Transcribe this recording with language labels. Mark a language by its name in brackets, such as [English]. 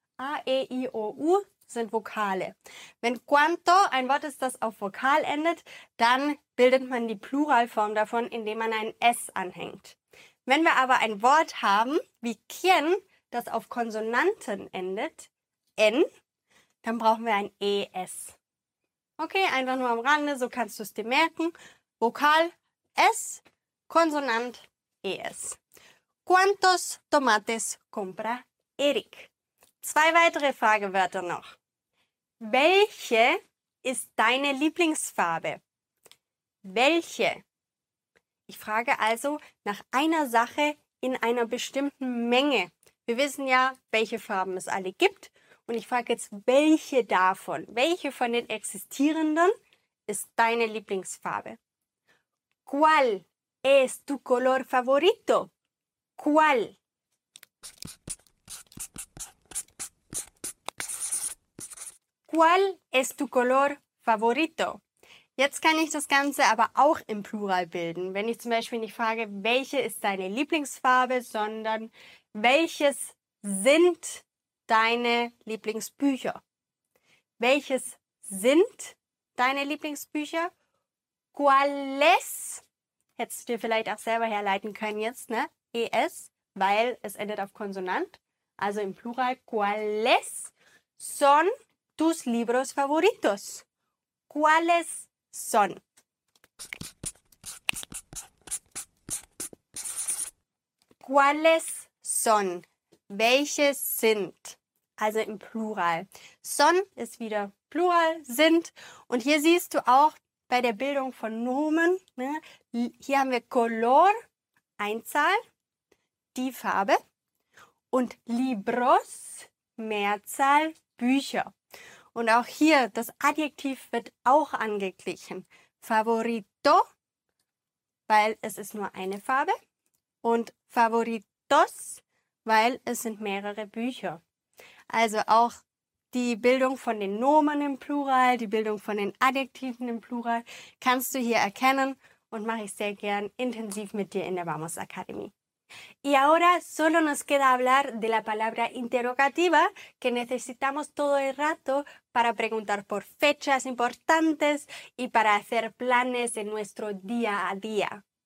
[German] A, E, I, O, U sind Vokale. Wenn cuánto ein Wort ist, das auf Vokal endet, dann bildet man die Pluralform davon, indem man ein S anhängt. Wenn wir aber ein Wort haben, wie quién, das auf Konsonanten endet, N, dann brauchen wir ein ES. Okay, einfach nur am Rande, so kannst du es dir merken. Vokal S, Konsonant ES. [Spanish] ¿Cuántos tomates compra Eric? [German] Zwei weitere Fragewörter noch. Welche ist deine Lieblingsfarbe? Welche? Ich frage also nach einer Sache in einer bestimmten Menge. Wir wissen ja, welche Farben es alle gibt. Und ich frage jetzt, welche davon, welche von den existierenden ist deine Lieblingsfarbe? [Spanish] ¿Cuál es tu color favorito? ¿Cuál? ¿Cuál es tu color favorito? [German] Jetzt kann ich das Ganze aber auch im Plural bilden. Wenn ich zum Beispiel nicht frage, welche ist deine Lieblingsfarbe, sondern welches sind deine Lieblingsbücher? Welches sind deine Lieblingsbücher? ¿Cuáles? Hättest du dir vielleicht auch selber herleiten können jetzt, ne? ES, weil es endet auf Konsonant. Also im Plural, [Spanish] ¿cuáles son tus libros favoritos? ¿Cuáles son? ¿Cuáles son? [German] Welche sind? Also im Plural. Son ist wieder Plural, sind. Und hier siehst du auch bei der Bildung von Nomen, ne, hier haben wir color, Einzahl, die Farbe, und libros, Mehrzahl, Bücher. Und auch hier, das Adjektiv wird auch angeglichen. Favorito, weil es ist nur eine Farbe. Und favoritos, weil es sind mehrere Bücher. Also auch die Bildung von den Nomen im Plural, die Bildung von den Adjektiven im Plural, kannst du hier erkennen. und mache ich sehr gern intensiv mit dir in der Vamos Academy. [Spanish] Y ahora solo nos queda hablar de la palabra interrogativa que necesitamos todo el rato para preguntar por fechas importantes y para hacer planes en nuestro día a día.